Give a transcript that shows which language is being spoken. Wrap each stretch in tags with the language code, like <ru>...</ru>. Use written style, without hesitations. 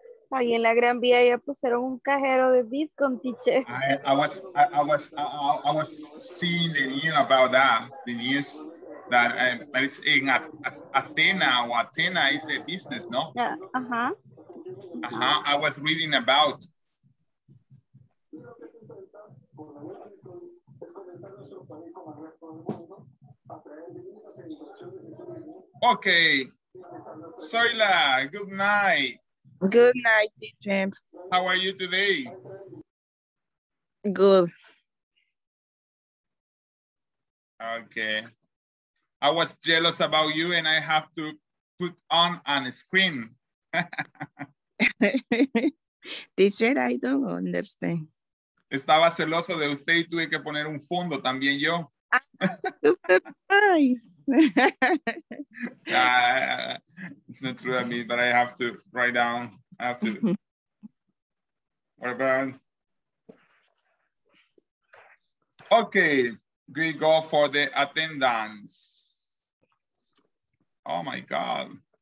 <es>Ahí en la Gran Vía ya pusieron un cajero de Bitcoin, teacher.</es> <en>I was seeing the news about that. The news that it's in Athena or Athena is the business, no? Yeah. Uh-huh. I was reading about. Okay, Soyla, good night. Good night, teacher. How are you today? Good. Okay. I was jealous about you and I have to put on a screen. Teacher, I don't understand.</en> <es>Estaba celoso de usted y tuve que poner un fondo también yo.</es> <en>Super nice. It's not true of me, but I have to write down. I have to. What about? Okay, we go for the attendance. Oh my God.</en>